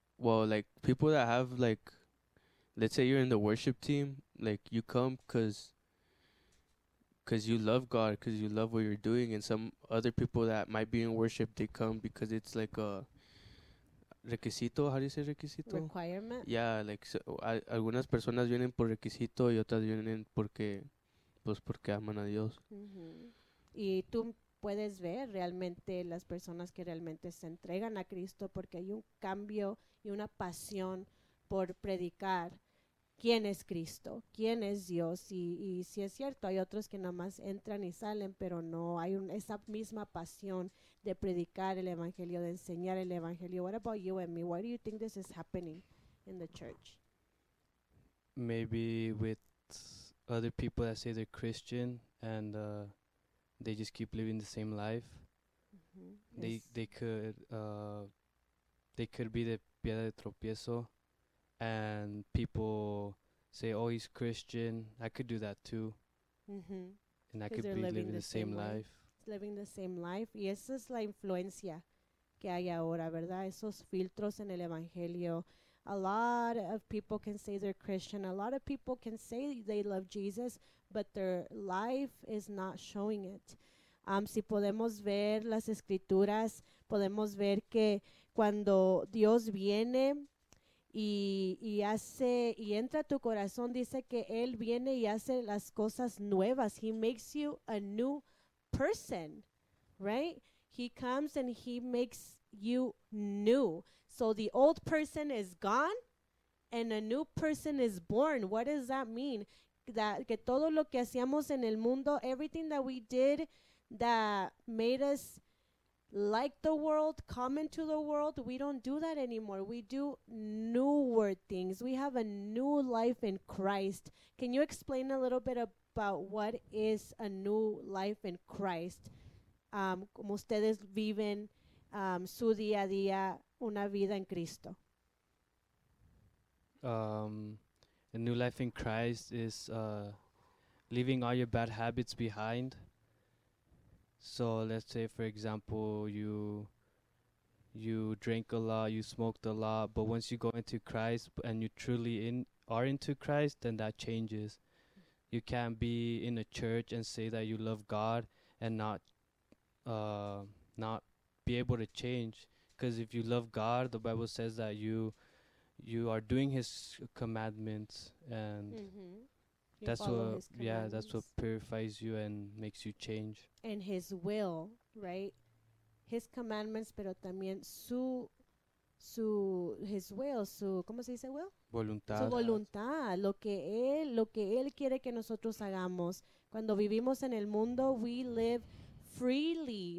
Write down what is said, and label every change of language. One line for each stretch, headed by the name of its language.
English: Well, like, people that have, like, let's say you're in the worship team. Like, you come because you love God, because you love what you're doing. And some other people that might be in worship, they come because it's, like, a requisito. How do you say requisito? Requirement.
Spanish: Yeah, like, algunas personas vienen por requisito y otras vienen porque, pues, porque aman a Dios. Mm-hmm. Y tú puedes ver realmente las personas que realmente se entregan a Cristo porque hay un cambio y una pasión por predicar quién es Cristo, quién es Dios. Y si es cierto, hay otros que nada más entran y salen, pero no hay esa misma pasión de predicar el evangelio, de enseñar el evangelio.
English: What about you and me? Why do you think this is happening in the church? Maybe with other people that say they're Christian and they just keep living the same life. Mm-hmm. They could be the
Spanish: piedra de tropiezo,
English: and people say, "Oh, he's Christian." I could do that too. Mm-hmm. And I could be living the same life. Living the same life.
Spanish: Y esa es la influencia que hay ahora, ¿verdad? Esos filtros en el evangelio.
English: A lot of people can say they're Christian. A lot of people can say they love Jesus, but their life is not showing it.
Spanish: Si podemos ver las escrituras, podemos ver que cuando Dios viene y entra a tu corazón, dice que Él viene y hace las cosas nuevas.
English: He makes you a new person, right? He comes and He makes you new. So the old person is gone and a new person is born. What does that mean?
Spanish: Que todo lo que hacíamos en el mundo,
English: everything that we did that made us like the world, common to the world, we don't do that anymore. We do newer things. We have a new life in Christ. Can you explain a little bit about what is a new life in Christ?
Spanish: Como ustedes viven su día a día, una vida en Cristo.
English: A new life in Christ is leaving all your bad habits behind. So let's say, for example, you drink a lot, you smoked a lot, but once you go into Christ and you truly are into Christ, then that changes. You can't be in a church and say that you love God and not be able to change. Because if you love God, the Bible says that you are doing His commandments, and mm-hmm. That's what purifies you and makes you change. And His will, right? His commandments,
Spanish: pero también su ¿cómo se dice will? Voluntad. Su voluntad, lo que él quiere que nosotros hagamos. Cuando vivimos en el mundo,
English: we live freely.